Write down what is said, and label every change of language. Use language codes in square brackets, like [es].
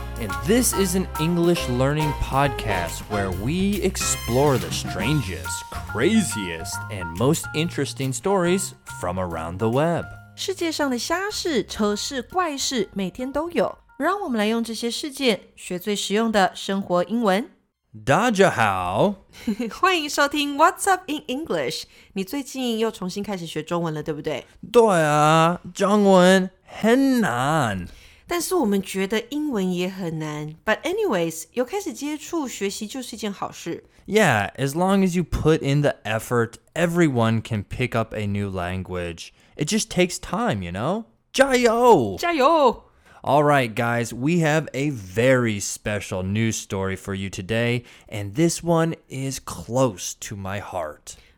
[en] And this is an English learning podcast where we explore the strangest, craziest, and most interesting stories from around the web. [zh] 世界上的瞎事、丑事、怪事每天都有。让我们来用这些事件学最实用的生活英文。大家好，欢迎收听 What's Up in English。你最近又重新开始学中文了，对不对？对啊，中文很难。但是我们觉得英文也很难。 [en] But anyways, [zh] 有开始接触学习就是一件好事。 [en] Yeah, as long as you put in the effort, everyone can pick up a new language. It just takes time, you know? [zh] 加油！加油！ [en] All right, guys, we have a very special news story for you today, and this one is close to my heart.